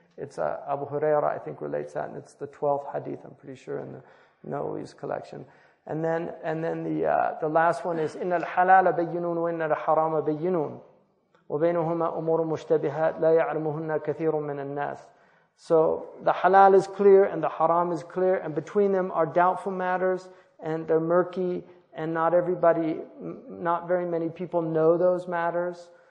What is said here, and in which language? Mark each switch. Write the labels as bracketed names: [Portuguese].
[English] It's Abu Huraira, I think, relates that, and it's the 12th hadith, I'm pretty sure, in the Nawawi's collection. [Arabic] And then the last one is إن الحلال بينون وإن الحرام بينون وبينهما أمور مشتبهات لا يعلمهن كثير من الناس. [English] So the halal is clear and the haram is clear, and between them are doubtful matters and they're murky, and not very many people know those matters.